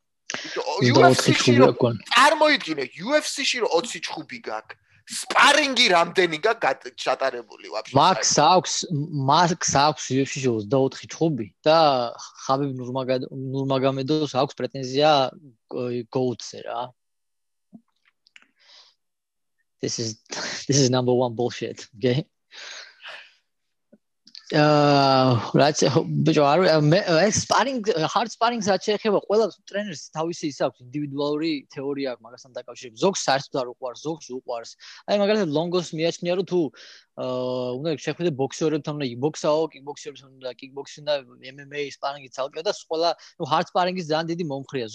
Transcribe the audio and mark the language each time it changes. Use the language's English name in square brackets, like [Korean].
[Georgian] UFC-ში წარმოიდგინე, UFC-ში რო 20 ჩხუბი გაქვს, სპარინგი რამდენი გაჩატარებული ვაფშე? მაქს აქვს UFC-ში 24 ჩხუბი და ხაბიბ ნურმაგომედოვს აქვს პრეტენზია GOAT-ზე რა. [English] This is number 1 bullshit, okay? [Georgian] რაც ბიჭო არ ეს სპარინგ hard sparring-ს რაც შეეხება, ყველა ტრენერს თავისი ის აქვს ინდივიდუალური თეორია აქვს მაგასთან დაკავშირებით. ზოგს საერთოდ არ უყვარს, ზოგს უყვარს. აი მაგალითად ლონგოს მიაჩნია, რომ თუ უნდა შეხვიდე ბოქსერებთან, უნდა იბოქსაო, კიკბოქსერებთან და კიკბოქსინგ და MMA sparring-ი ცალკე და ყველა hard sparring-ის ძალიან დიდი მომხრეა.